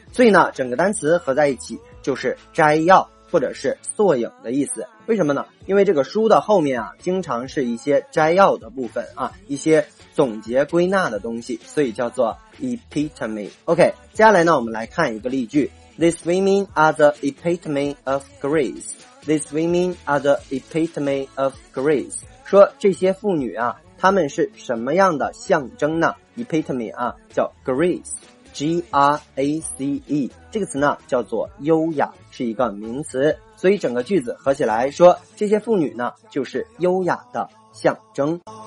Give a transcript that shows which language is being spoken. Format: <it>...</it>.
<zh>所以呢，整个单词合在一起就是摘要或者是索引的意思。为什么呢？因为这个书的后面啊，经常是一些摘要的部分啊，一些总结归纳的东西，所以叫做 epitome。 OK， 接下来呢，我们来看一个例句。</zh> <en>These women are the epitome of grace. These women are the epitome of grace.</en> <zh>说这些妇女啊，她们是什么样的象征呢？ epitome 啊，叫 grace，G-R-A-C-E， 这个词呢叫做优雅，是一个名词。所以整个句子合起来说，这些妇女呢就是优雅的象征。</zh>